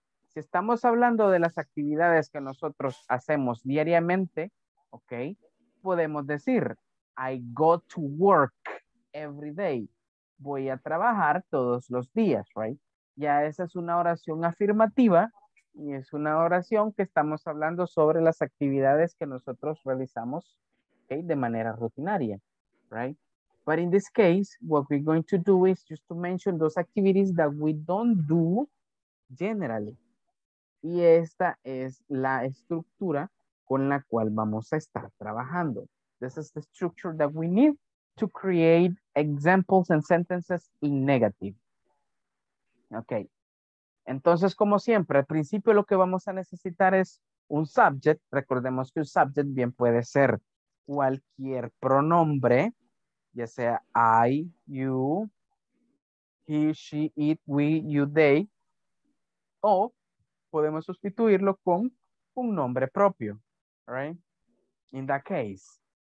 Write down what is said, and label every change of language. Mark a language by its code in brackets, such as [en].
[es] Si estamos hablando de las actividades que nosotros hacemos diariamente, okay, podemos decir, [en] I go to work every day. [es] Voy a trabajar todos los días, right? Ya esa es una oración afirmativa y es una oración que estamos hablando sobre las actividades que nosotros realizamos, okay, de manera rutinaria, right? [en] But in this case, what we're going to do is just to mention those activities that we don't do generally. [es] Y esta es la estructura con la cual vamos a estar trabajando. [en] This is the structure that we need to create examples and sentences in negative. Okay. [es] Entonces, como siempre, al principio lo que vamos a necesitar es un subject. Recordemos que un subject bien puede ser cualquier pronombre, ya sea I, you, he, she, it, we, you, they, o podemos sustituirlo con un nombre propio. [en] All right? In that case.